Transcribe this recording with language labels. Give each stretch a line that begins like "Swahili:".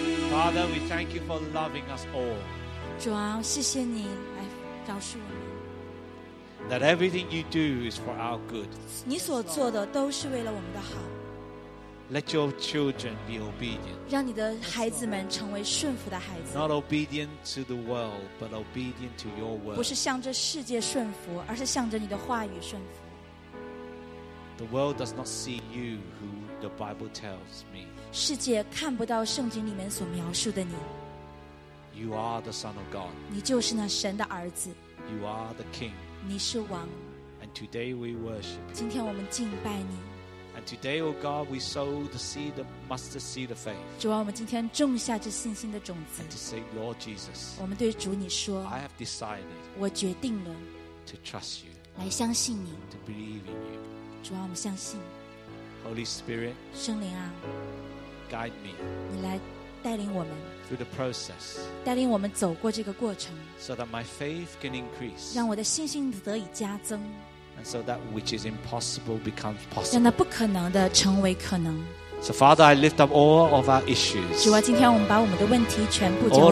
English: Father, we thank you for loving us all.
Chinese: 主啊，谢谢你来饶恕我们。
English: That everything you do is for our good.
Chinese: 你所做的都是为了我们的好。
English: Let your children be obedient.
Chinese: 让你的孩子们成为顺服的孩子。
English: Not obedient to the world, but obedient to your word.
Chinese: 不是向着世界顺服，而是向着你的话语顺服。
English: The world does not see you who the Bible tells me.
Chinese: 世界看不到圣经里面所描述的你。
English: You are the Son of God.
Chinese: 你就是那神的儿子。
English: You are the King.
Chinese: 你是王。
English: And today we worship.
Chinese: 今天我们敬拜你。
English: And today, O God, we sow the seed of mustard seed of faith.
Chinese: 主啊，我们今天种下这信心的种子。
English: And to say, Lord Jesus,
Chinese: 我们对主你说，
English: I have decided.
Chinese: 我决定了。
English: To trust you.
Chinese: 来相信你。
English: To believe in you.
Chinese: 主啊，我们相信。
English: Holy Spirit.
Chinese: 圣灵啊。
English: Guide me.
Chinese: 你来带领我们。
English: Through the process.
Chinese: 带领我们走过这个过程。
English: So that my faith can increase.
Chinese: 让我的信心得以加增。
English: And so that which is impossible becomes possible.
Chinese: 让那不可能的成为可能。
English: So Father, I lift up all of our issues.
Chinese: 主啊，今天我们把我们的问题全部交托。